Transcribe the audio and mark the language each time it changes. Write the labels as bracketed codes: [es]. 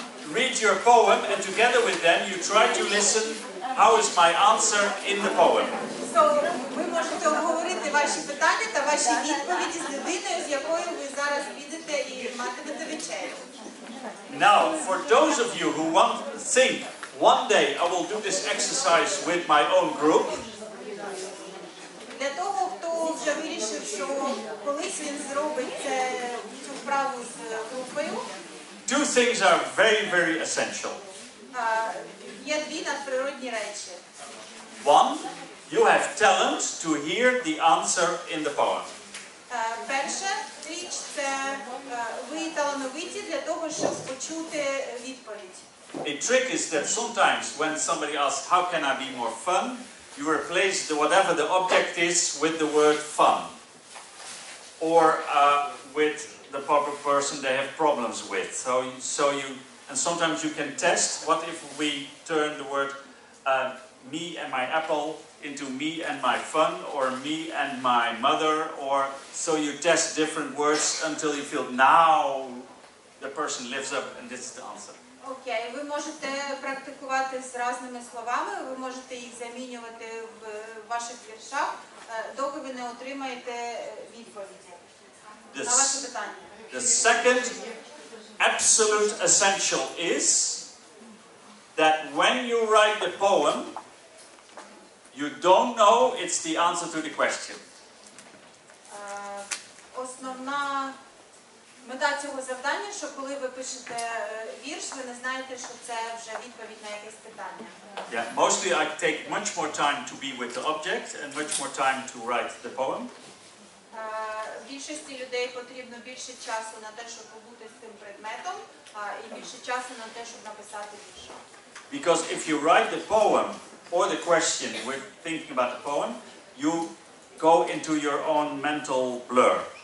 [en] read your poem and together with them you try to listen how is my answer in the poem. [uk] So, ви можете обговорити ваші питання та ваші відповіді з людиною, з якою ви зараз їдете і матимете вечерю. [en] Now, for those of you who want to think, one day I will do this exercise with my own group. [uk] Для того, хто вже вирішив, що колись він зробить цю вправу з групою. [en] Two things are very, very essential. [uk] Є дві надприродні речі. [en] One, you have talent to hear the answer in the poem. [uk] Перша річ – це ви талановиті для того, щоб почути відповідь. [en] A trick is that sometimes when somebody asks, how can I be more fun, you replace the, whatever the object is with the word fun. Or with the proper person they have problems with. So you, and sometimes you can test, what if we turn the word me and my apple into me and my fun, or me and my mother, or so you test different words until you feel now the person lives up and this is the answer. [uk] Окей, ви можете практикувати з різними словами, ви можете їх замінювати в ваших віршах, доки ви не отримаєте відповіді на ваше питання. [en] The second absolute essential is that when you write the poem, you don't know it's the answer to the question. [uk] Основна мета цього завдання, що коли ви пишете вірш, ви не знаєте, що це вже відповідь на якесь питання. [en] Yeah, mostly I take much more time to be with the object and much more time to write the poem. [uk] Більшості людей потрібно більше часу на те, щоб побути з цим предметом, і більше часу на те, щоб написати вірш. [en] Because if you write the poem or the question with thinking about the poem, you go into your own mental blur.